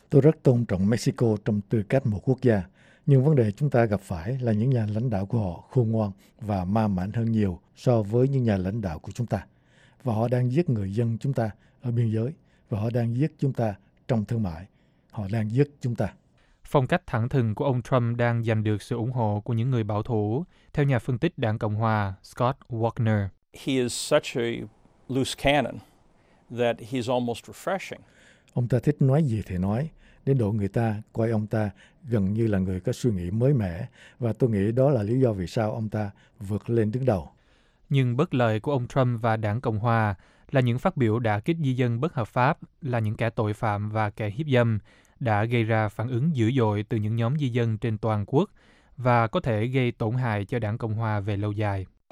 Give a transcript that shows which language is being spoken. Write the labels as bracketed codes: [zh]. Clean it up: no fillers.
[vi] Tôi rất tôn trọng Mexico trong tư cách một quốc gia. Nhưng vấn đề chúng ta gặp phải là những nhà lãnh đạo của họ khôn ngoan và ma mãnh hơn nhiều so với những nhà lãnh đạo của chúng ta. Và họ đang giết người dân chúng ta ở biên giới, và họ đang giết chúng ta trong thương mại. Họ đang giết chúng ta. Phong cách thẳng thừng của ông Trump đang giành được sự ủng hộ của những người bảo thủ, theo nhà phân tích Đảng Cộng Hòa Scott Walker. [en] He is such a loose cannon that he's almost refreshing. [vi] Ông ta thích nói gì thì nói, đến độ người ta coi ông ta gần như là người có suy nghĩ mới mẻ, và tôi nghĩ đó là lý do vì sao ông ta vượt lên đứng đầu. Nhưng bất lợi của ông Trump và Đảng Cộng Hòa là những phát biểu đã kích di dân bất hợp pháp, là những kẻ tội phạm và kẻ hiếp dâm, đã gây ra phản ứng dữ dội từ những nhóm di dân trên toàn quốc và có thể gây tổn hại cho Đảng Cộng Hòa về lâu dài.